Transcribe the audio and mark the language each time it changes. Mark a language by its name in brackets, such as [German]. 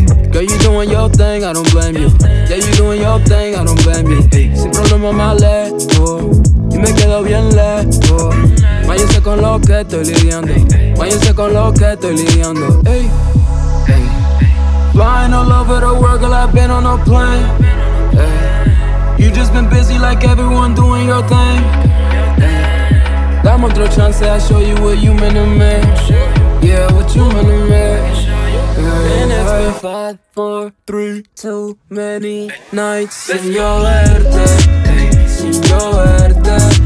[English] Girl, you doing your thing, I don't blame you. Yeah, you doing your thing, I don't blame you. [Spanish] Sin problema me alejo y me quedo bien lejos. Váyanse con lo que estoy lidiando. Váyanse con lo que estoy lidiando. [English] Flying all over the world, girl, I've been on a plane. You just been busy like everyone doing your thing. [Spanish] Dame otro chance, [English] I show you what you mean to me. Yeah, what you mean to me. And it's been 5, 4, 3 too many nights in your verte, in your verte.